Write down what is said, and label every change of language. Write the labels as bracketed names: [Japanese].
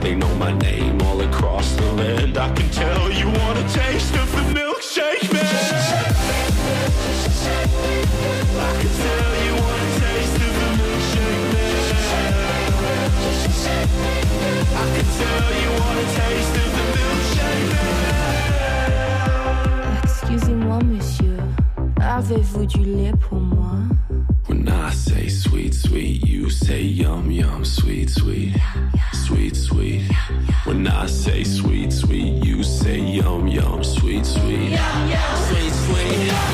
[English] They know my name all across the land. I can tell you want a taste of the milkshake, man. I can tell you want a taste of the milkshake, man. I can tell you want a taste of the milkshake, man. [French] Excusez-moi, monsieur. Avez-vous du lait pour moi? [English] When I say sweet, sweet, you say yum, yum, sweet, sweet, sweet, sweet. When I say sweet, sweet, you say yum, yum, sweet, sweet, sweet, sweet.